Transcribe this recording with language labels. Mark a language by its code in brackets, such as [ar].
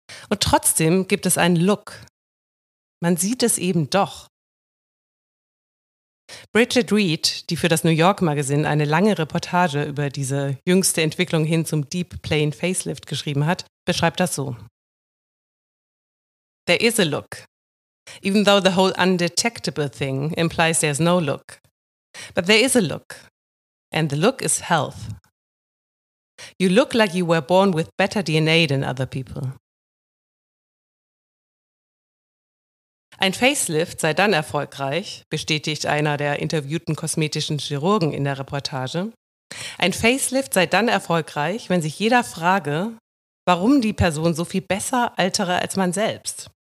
[de] Und trotzdem gibt es einen Look. Man sieht es eben doch. Bridget Reed, die für das New York Magazine eine lange Reportage über diese jüngste Entwicklung hin zum Deep Plane Facelift geschrieben hat, beschreibt das so. [en] There is a look. Even though the whole undetectable thing implies there's no look. But there is a look. And the look is health. You look like you were born with better DNA than other people. [de] Ein Facelift sei dann erfolgreich, bestätigt einer der interviewten kosmetischen Chirurgen in der Reportage. Ein Facelift sei dann erfolgreich, wenn sich jeder frage, warum die Person so viel besser altere als man selbst.